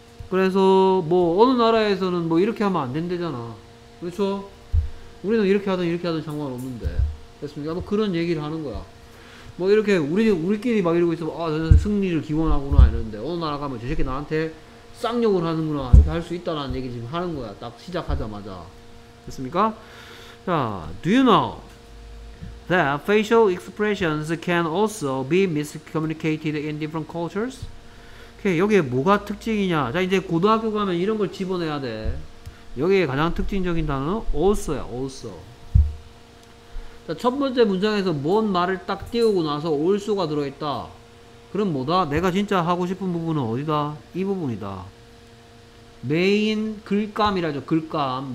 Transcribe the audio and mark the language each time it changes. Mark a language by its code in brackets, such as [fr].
[ko] 그래서 뭐 어느 나라에서는 뭐 이렇게 하면 안 된대잖아. 그렇죠? 우리는 이렇게 하든 상관없는데. 됐습니까? 뭐 그런 얘기를 하는 거야. 뭐 이렇게 우리끼리 막 이러고 있으면 아 승리를 기원하구나 이러는데 어느 나라 가면 저 새끼 나한테 쌍욕을 하는구나 이렇게 할 수 있다라는 얘기 지금 하는 거야. 딱 시작하자마자. 됐습니까? [en] 자, Do you know that facial expressions can also be miscommunicated in different cultures? [ko] 오케이, 여기에 뭐가 특징이냐. 자 이제 고등학교 가면 이런 걸 집어내야 돼. 여기에 가장 특징적인 단어는 also야. also. 자, 첫 번째 문장에서 뭔 말을 딱 띄우고 나서 also가 들어있다. 그럼 뭐다? 내가 진짜 하고 싶은 부분은 어디다? 이 부분이다. 메인 글감이라죠. 글감.